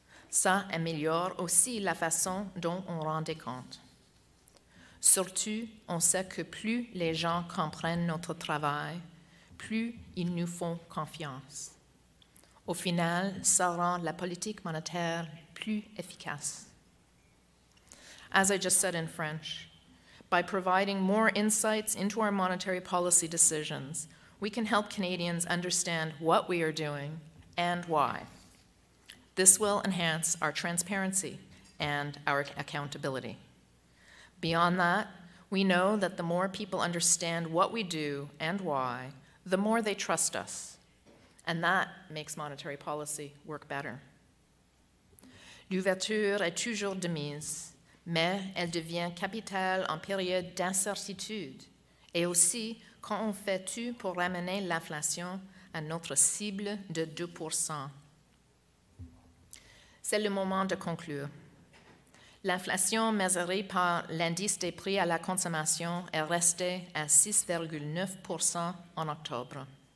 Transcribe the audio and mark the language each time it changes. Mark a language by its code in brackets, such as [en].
[fr] Ça améliore aussi la façon dont on rend des comptes. Surtout, on sait que plus les gens comprennent notre travail, plus ils nous font confiance. Au final, ça rend la politique monétaire plus efficace. [en] As I just said in French, by providing more insights into our monetary policy decisions, we can help Canadians understand what we are doing and why. This will enhance our transparency and our accountability. Beyond that, we know that the more people understand what we do and why, the more they trust us. And that makes monetary policy work better. [fr] L'ouverture est toujours de mise, mais elle devient capitale en période d'incertitude et aussi quand on fait tout pour ramener l'inflation à notre cible de 2%. C'est le moment de conclure. L'inflation mesurée par l'indice des prix à la consommation est restée à 6,9% en octobre.